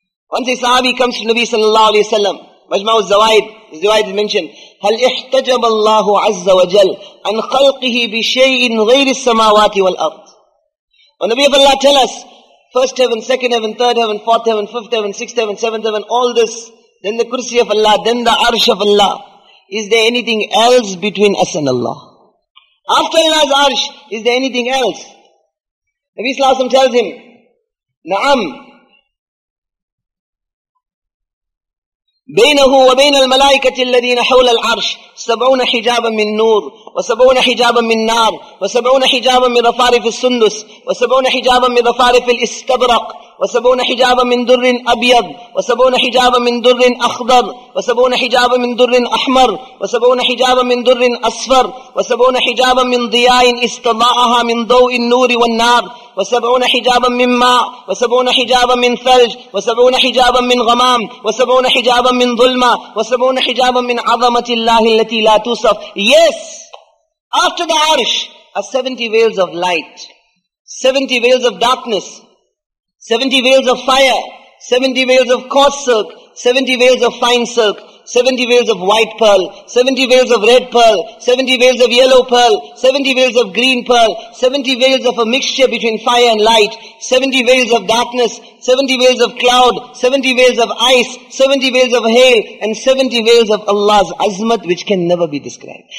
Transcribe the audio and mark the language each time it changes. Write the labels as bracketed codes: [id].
[en] Once a sahabi comes to Nabi sallallahu alayhi wa sallam, Majma'u al-Zawaid, this Zawaid is mentioned, [ar] هَلْ إِحْتَجَبَ اللَّهُ عَزَّ وَجَلْ عَنْ خَلْقِهِ بِشَيْءٍ غَيْرِ السَّمَاوَاتِ وَالْأَرْضِ [en] O Nabi of Allah, tell us, first heaven, second heaven, third heaven, fourth heaven, fifth heaven, sixth heaven, seventh heaven, all this, then the kursi of Allah, then the arsh of Allah, is there anything else between us and Allah? After Allah's arsh, is there anything else? Nabi sallallahu alayhi wa sallam tells him, [ar] نعم بينه وبين الملائكة الذين حول العرش سبعون حجابا من نور وسبعون حجابا من نار وسبعون حجابا من رفارف السندس وسبعون حجابا من رفارف الاستبرق وسبعون حجابا من در أبيض وسبعون حجابا من در أخضر وسبعون حجابا من در أحمر وسبعون حجابا من در أصفر وسبعون حجابا من ضياء استضاءها من ضوء النور والنار وسبعون حجابا من ماء وسبعون حجابا من ثلج وسبعون حجابا من غمام وسبعون حجابا من ظلمة وسبعون حجابا من عظمة الله التي لا توصف. [en] Yes, after the arsh are 70 veils of light, 70 veils of darkness, 70 veils of fire, 70 veils of coarse silk, 70 veils of fine silk, 70 veils of white pearl, 70 veils of red pearl, 70 veils of yellow pearl, 70 veils of green pearl, 70 veils of a mixture between fire and light, 70 veils of darkness, 70 veils of cloud, 70 veils of ice, 70 veils of hail, and 70 veils of Allah's azmat, which can never be described.